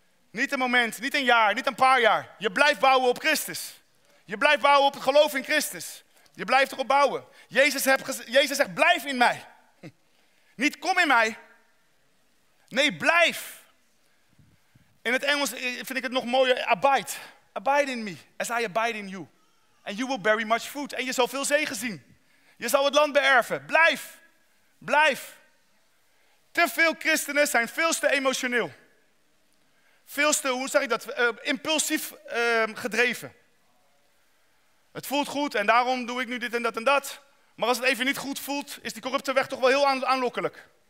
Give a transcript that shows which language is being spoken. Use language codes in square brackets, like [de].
[nl] Niet een moment, niet een jaar, niet een paar jaar. Je blijft bouwen op Christus. Je blijft bouwen op het geloof in Christus. Je blijft erop bouwen. Jezus zegt, blijf in mij. Niet kom in mij. Nee, blijf. In het Engels vind ik het nog mooier. [en] Abide. Abide in me, as I abide in you. And you will bear much fruit. [nl] En je zal veel zegen zien. Je zal het land beërven. Blijf. Blijf. Te veel christenen zijn veel te emotioneel. Veel te, hoe zeg ik dat, impulsief gedreven. Het voelt goed en daarom doe ik nu dit en dat en dat. Maar als het even niet goed voelt, is die corrupte weg toch wel heel aanlokkelijk.